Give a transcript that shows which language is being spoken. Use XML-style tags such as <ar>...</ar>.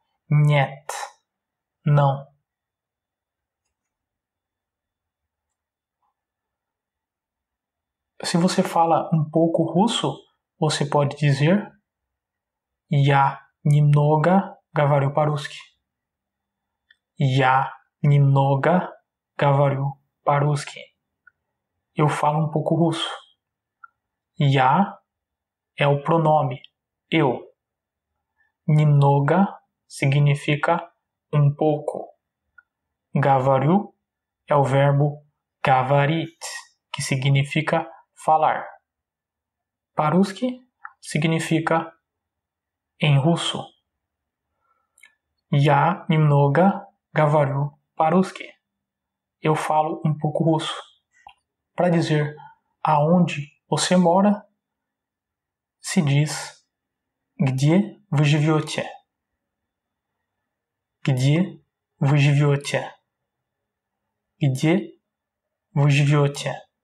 <ru>Нет.</ru> <pt>Não. Se você fala um pouco russo, você pode dizer</pt> <ru>Я немного говорю по-русски. Я немного говорю по-русски.</ru> <pt>Eu falo um pouco russo. Я é o pronome. Eu. Немного significa um pouco. Говорю é o verbo говорить, que significa falar. По-русски significa em russo.</pt> <ru>Я немного говорю по-русски.</ru> <pt>Eu falo um pouco russo. Para dizer aonde você mora, se diz</pt> <ru>Где вы живете? Где вы живете? Где вы живете?</ru>